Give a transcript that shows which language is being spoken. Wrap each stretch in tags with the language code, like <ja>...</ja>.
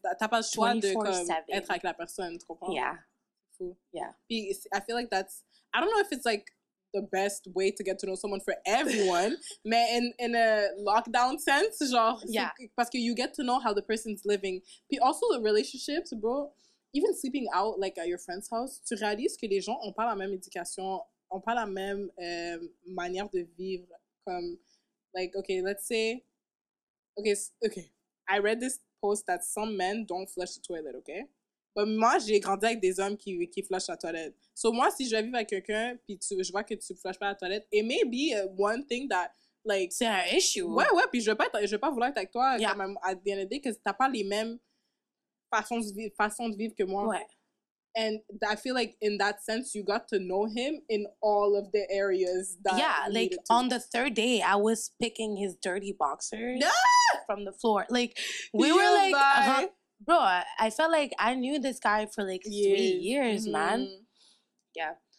<fr>T'as pas le choix de, comme, être avec la personne, tu comprends?</fr> <en>Yeah. Puis, I feel like that's... I don't know if it's, like, the best way to get to know someone for everyone, mais in a lockdown sense, genre... Yeah.</en> <fr>Parce que</fr> <en>you get to know how the person's living.</en> <fr>Puis</fr> <en>also, the relationships, bro, even sleeping out, like, at your friend's house,</en> <fr>tu réalises que les gens ont pas la même éducation, ont pas la même manière de vivre, comme...</fr> <en>Like, okay, let's say, okay, I read this post that some men don't flush the toilet, okay?</en> <fr>But moi, j'ai grandi avec des hommes qui flushent la toilette. So moi, si je vais vivre avec quelqu'un, puis je vois que tu flushes pas la toilette,</fr> <en>it may be one thing that, like...</en> <fr>C'est un issue. Ouais, puis je vais pas vouloir être avec toi, yeah. Quand même, à</fr> <en>the end of the day,</en> <fr>parce que t'as pas les mêmes façons de vivre que moi. Ouais.</fr> <en>And I feel like in that sense, you got to know him in all of the areas that On the third day, I was picking his dirty boxers from the floor. Like, we were like, bro, I felt like I knew this guy for like 3 years, man. Yeah.</en>